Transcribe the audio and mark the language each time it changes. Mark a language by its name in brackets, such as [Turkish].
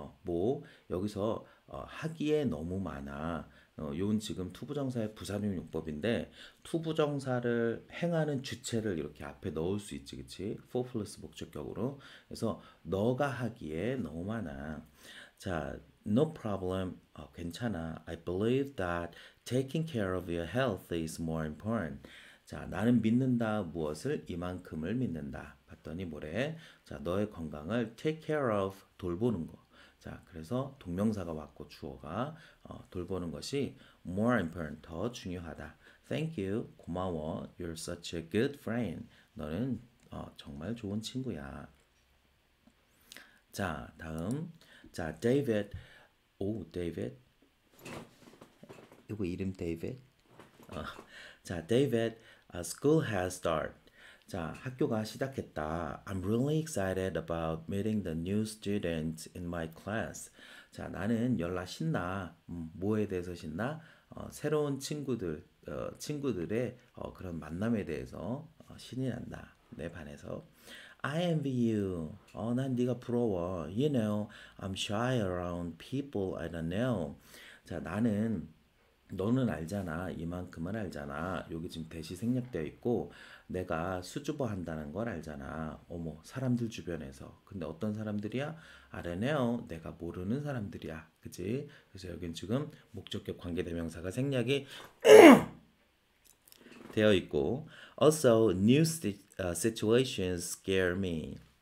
[Korean] 뭐 여기서 하기에 너무 많아. 요건 지금 투부정사의 부사적 용법인데 투부정사를 행하는 주체를 이렇게 앞에 넣을 수 있지, 그치? for plus 목적격으로. 그래서 너가 하기에 너무 많아. 자, [English] no problem. [Korean] 괜찮아. [English] I believe that taking care of your health is more important. [Korean] 자, 나는 믿는다. 무엇을? 이만큼을 믿는다. 봤더니 뭐래? 자, 너의 건강을 take care of, 돌보는 거. 자, 그래서 동명사가 왔고 주어가 돌보는 것이 more important, 더 중요하다. [English] Thank you, [Korean] 고마워. [English] You're such a good friend. [Korean] 너는 정말 좋은 친구야. 자, 다음. 자, David. 오, David. 이거 이름 David? [English] 자, David, school has started. [Korean] 자, 학교가 시작했다. [English] I'm really excited about meeting the new students in my class. [Korean] 자, 나는 열나 신나. 뭐에 대해서 신나? 새로운 친구들, 친구들의 그런 만남에 대해서 신이 난다. 내 반에서. [English] I envy you. [Korean] 난 네가 부러워. [English] You know, I'm shy around people I don't know. [Korean] 자, 나는 너는 알잖아. 이만큼은 알잖아. 여기 지금 대시 생략되어 있고, 내가 수줍어 한다는 걸 알잖아. 어머, 사람들 주변에서. 근데 어떤 사람들이야? [English] I don't know. [Korean] 내가 모르는 사람들이야. 그지? 그래서 여긴 지금 목적격 관계대명사가 생략이 되어 있고, [English] Also, new situations scare me.